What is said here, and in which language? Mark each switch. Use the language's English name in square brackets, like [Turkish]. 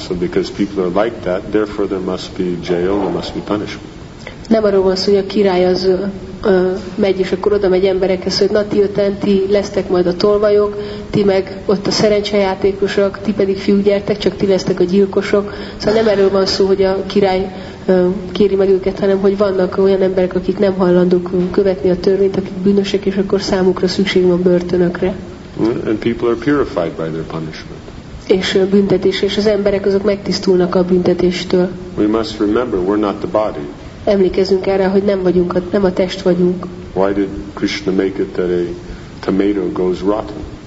[English] So because people are like that, therefore there must be jail, there must be punishment. [Hungarian] Nem arról van szó, hogy a király az megy, és akkor oda megy emberekhez, hogy na ti öten, ti lesztek majd a tolvajok, ti meg ott a szerencsejátékosok, ti pedig fiúk gyertek, csak ti lesztek a gyilkosok. Szóval nem erről van szó, hogy a király kéri meg őket, hanem hogy vannak olyan emberek, akik nem hajlandók követni a törvényt, akik bűnösek, és akkor számukra szükség van börtönökre. [English] And people are purified by their punishment. [Hungarian] És a büntetés, és az emberek azok megtisztulnak a büntetéstől. [English] We must remember, we're not the body. [Hungarian] Emlékezzünk erre, hogy nem vagyunk, nem a test vagyunk. [English] Why did Krishna make it that a tomato goes rotten?